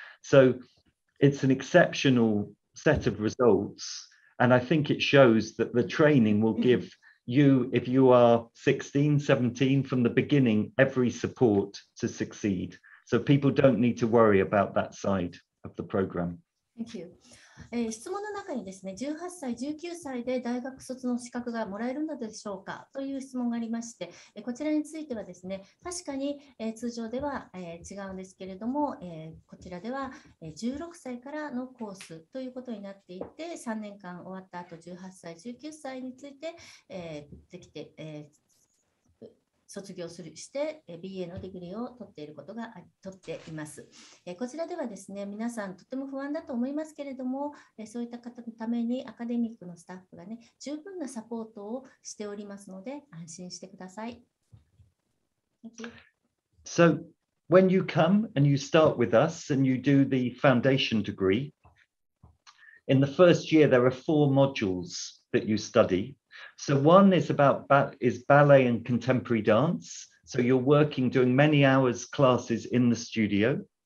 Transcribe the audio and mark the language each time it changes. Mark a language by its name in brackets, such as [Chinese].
[English] So it's an exceptional set of results. And I think it shows that the training will give you, if you are 16, 17, from the beginning, every support to succeed. So people don't need to worry about that side of the program. Thank you.、 [Japanese] 質問の中にですね、18歳、19歳で大学卒の資格がもらえるのでしょうかという質問がありまして、こちらについてはですね、確かに、通常では、違うんですけれども、こちらでは、16歳からのコースということになっていて、3年間終わった後、18歳、19歳について、できて、卒業するして BA のディグリーを取っていることが取っています。こちらではですね、皆さんとても不安だと思いますけれども、そういった方のためにアカデミックのスタッフがね、十分なサポートをしておりますので安心してください。 [English] Thank you. So when you come and you start with us and you do the foundation degree, in the first year there are four modules that you studySo one is about ballet and contemporary dance. So you're working, doing many hours classes in the studio.